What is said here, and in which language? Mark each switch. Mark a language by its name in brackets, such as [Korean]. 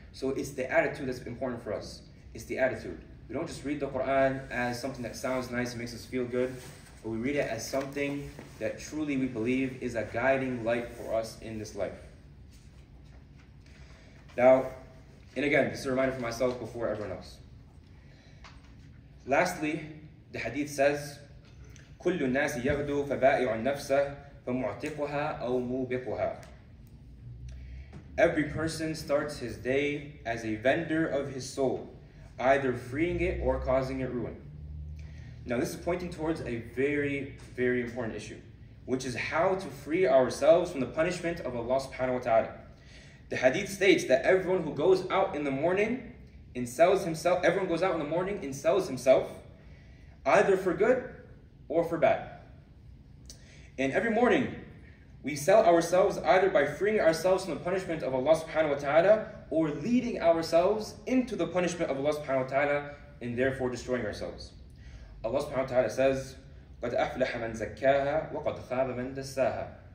[English] So it's the attitude that's important for us. It's the attitude. We don't just read the Quran as something that sounds nice and makes us feel good, but we read it as something that truly we believe is a guiding light for us in this life. Now, and again, this is a reminder for myself before everyone else. Lastly, the hadith says, [Arabic] كُلُّ النَّاسِ يَغْدُو فَبَائِعُ النَّفْسَهُ فَمُعْتِقُهَا أَوْ مُوبِقُهَا. [English] Every person starts his day as a vendor of his soul, either freeing it or causing it ruin. Now, this is pointing towards a very, very important issue. which is how to free ourselves from the punishment of Allah subhanahu wa ta'ala. The hadith states that everyone who goes out in the morning and sells himself, everyone goes out in the morning and sells himself, either for good or for bad. And every morning, we sell ourselves either by freeing ourselves from the punishment of Allah subhanahu wa ta'ala or leading ourselves into the punishment of Allah subhanahu wa ta'ala and therefore destroying ourselves. [Arabic] Allah subhanahu wa ta'ala says, قَدْ أَفْلَحَ مَنْ زَكَّاهَا وَقَدْ خَابَ مَنْ دَسَّاهَا.